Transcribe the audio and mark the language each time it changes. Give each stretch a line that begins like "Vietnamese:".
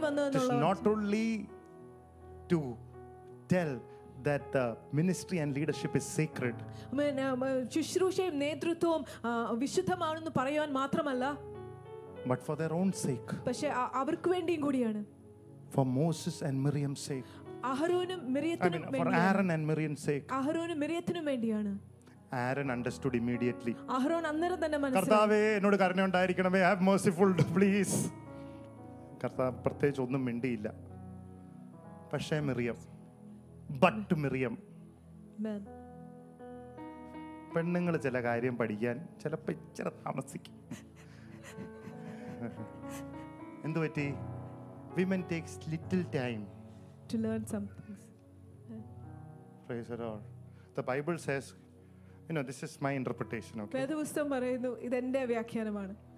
English: not only to tell that the ministry and leadership is sacred.
Malayalam: ശുശ്രൂഷയും നേതൃത്വവും വിശുദ്ധമാണെന്ന് പറയാൻ മാത്രമല്ല.
English: But for their own sake.
Malayalam: പക്ഷേ അവർക്ക് വേണ്ടിയും കൂടിയാണ്.
English: For Moses and Miriam's sake.
Malayalam: അഹരോനും മിറിയത്തിനും വേണ്ടി.
English: For Aaron and Miriam's sake.
Malayalam: അഹരോനും മിറിയത്തിനും വേണ്ടിയാണ്.
English: Aaron understood immediately.
Malayalam: അഹരോൻ അന്നേരം തന്നെ മനസ്സിലാക്കി. കർത്താവേ എന്നോട് കരുണ ഉണ്ടായിരിക്കണമേ,
English: have merciful please.
Malayalam: കർത്താവ് പ്രത്യേകിച്ച് ഒന്നും മിണ്ടിയില്ല. പക്ഷേ മിറിയം.
English: But Miriam. Amen.
Malayalam: പെണ്ണുങ്ങൾ ചില കാര്യം പഠിക്കാൻ ചിലപ്പോ ഇച്ചിരി താമസിക്കും. എന്തു പറ്റി?
English: Women takes little time to learn some things. Praise the Lord. The Bible says, you know, this is my interpretation, okay?
Malayalam: വേദപുസ്തകം പറയുന്നു ഇതെന്റെ വ്യാഖ്യാനമാണ്.